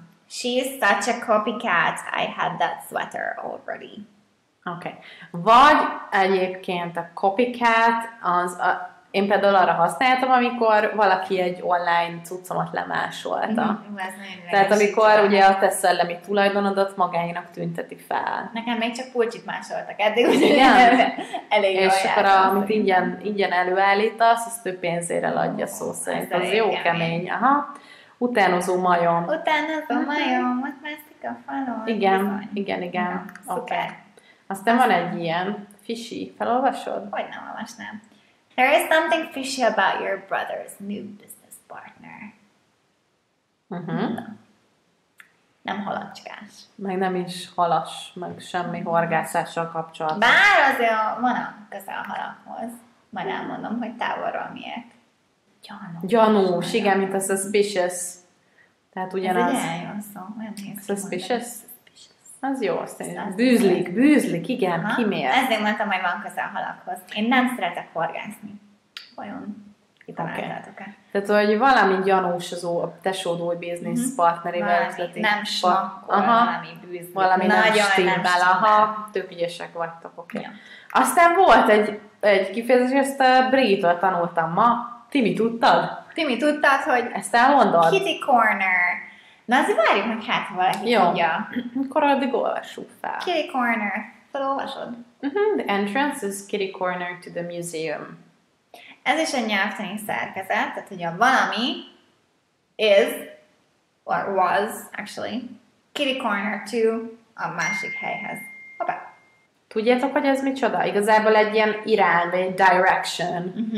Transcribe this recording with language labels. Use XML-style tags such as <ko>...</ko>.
<en>She's such a copycat, I had that sweater already. Okay.</en> <hu>Vagy egyébként a copycat, én például arra használtam, amikor valaki egy online cuccomat lemásolta. Tehát amikor ugye a te szellemi tulajdonodat magáinak tünteti fel. Nekem még csak pulcsit másoltak eddig, úgyhogy elég jó. És akkor amit ingyen előállítasz, azt ő pénzért eladja szó szerint. Ez jó kemény. Aha. Utánozó majom. Utánozó majom, ott mászik a falon. Igen. No, oké. Okay. Aztán van egy ilyen fishy. Felolvasod? Hogy nem olvasnám.</hu> <en>There is something fishy about your brother's new business partner.</en> <hu>Nem halacskás. Meg nem is halas, meg semmi horgászással kapcsolatban. Bár azért van a közel a halakhoz. Majd elmondom, hogy távolról miért. Gyanús, igen, mint a suspicious. Tehát ugyanaz. Ez egy olyan szó. Suspicious? Az jó, azt mondja. Bűzlik, igen, aha. Kimért. Ezért mondtam, hogy van közel halakhoz. Én nem szeretek horgászni. Vajon? Okay. Tehát, hogy valami gyanús az a tesód új biznisz partnerével. Valami nem smakkor, valami bűzlik. Valami nagyon nem stimmel. Aha, tök ügyesek vagytok, oké. Aztán volt egy kifejezés, ezt a Brit-től tanultam ma. Timi, tudtad, hogy... Ezt elmondod?</hu> <en>Kitty Corner.</en> <hu>Na, azért várjuk meg, hát valaki jó. Tudja. Akkor addig olvassuk fel. Kitty Corner. Felolvasod?</hu> <en>The entrance is Kitty Corner to the museum.</en> <hu>Ez is a nyelvtani szerkezet, tehát, hogy a valami is,</hu> <en>or was, actually,</en> <hu>Kitty Corner to a másik helyhez. Hoppá. Tudjátok, hogy ez micsoda? Igazából egy ilyen irány, egy direction.</hu>